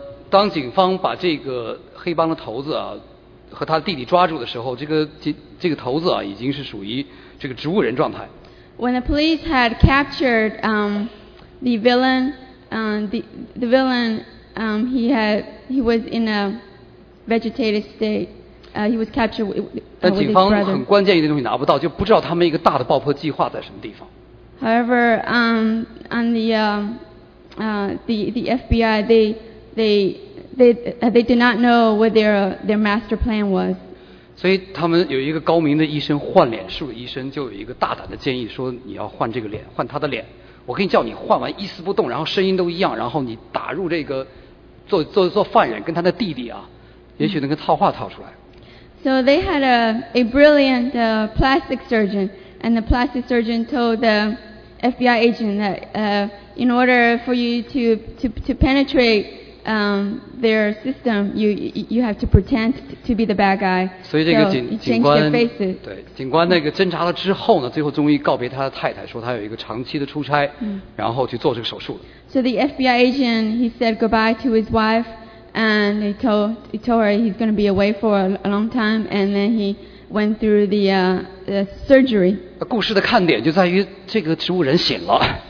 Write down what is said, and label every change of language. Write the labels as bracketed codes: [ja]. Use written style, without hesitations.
[zh] 当警方把这个黑帮的头子啊和他弟弟抓住的时候，这个头子啊已经是属于这个植物人状态。 [en] When the police had captured the villain, he was in a vegetative state. He was captured with his brother. [zh] 但警方很关键一点东西拿不到，就不知道他们一个大的爆破计划在什么地方。 [en] However, on the FBI, they did not know what their master plan was. [zh] 所以他们有一个高明的医生，换脸术的医生，就有一个大胆的建议，说你要换这个脸，换他的脸。我可以叫你换完一丝不动，然后声音都一样，然后你打入这个做犯人跟他的弟弟啊，也许能够套话套出来。 [en] So they had a brilliant plastic surgeon. And the plastic surgeon told the FBI agent that in order for you to penetrate their system, you have to pretend to be the bad guy. So you change their faces. [zh] 对，警官那个侦查了之后呢，最后终于告别他的太太，说他有一个长期的出差，然后去做这个手术了。 [en] So the FBI agent he said goodbye to his wife, and he told her he's going to be away for a long time, and then he. Went through the surgery. [zh] 故事的看点就在于这个植物人醒了。